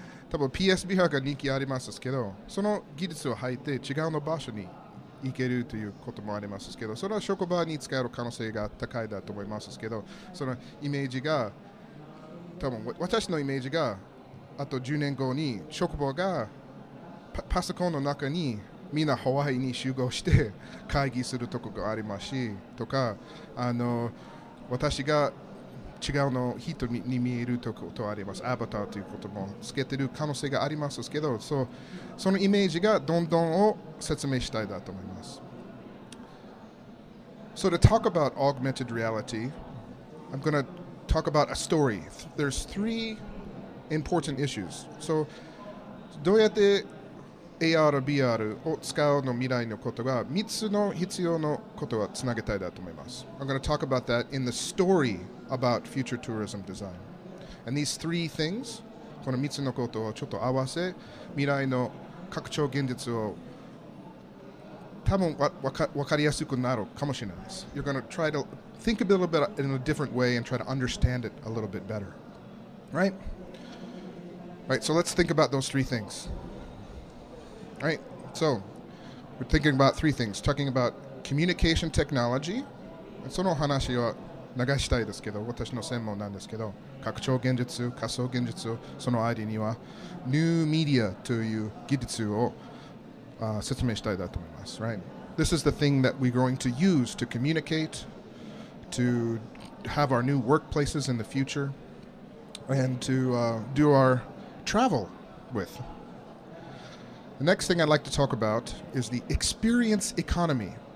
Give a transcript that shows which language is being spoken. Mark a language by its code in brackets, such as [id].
[ja] 多分 PSVR が人気ありますけど、その技術を履いて違うの場所に行けるということもありますけど、それは職場に使える可能性が高いだと思いますけど、そのイメージが、多分私のイメージが、あと10年後に職場が パソコンの中にみんなハワイに集合して会議するとこがありますし、とか私が違うの人に見えるとことあります。アバターということもつけてる可能性がありますけど、そのイメージがどんどんを説明したいだと思います。 [en] So to talk about augmented reality, I'm going to talk about a story. There's three important issues. [ja] So どうやってAR、BR を使うの未来のことが3つの必要のことはつなげたいだと思います。 [en] I'm going to talk about that in the story about future tourism design. And these three things, [ja] この3つのことをちょっと合わせ、未来の拡張現実を多分分かりやすくなるかもしれないです。 [en] You're going to try to think a little bit in a different way and try to understand it a little bit better. Right? Right, so let's think about those three things. Right, so we're thinking about three things. Talking about communication technology. [ja] その話を流したいですけど、私の専門なんですけど、拡張現実、仮想現実、その間には new media という技術を説明したいだと思います。 [en] Right, this is the thing that we're going to use to communicate, to have our new workplaces in the future, and to do our travel with. The next thing I'd like to talk about is the experience economy.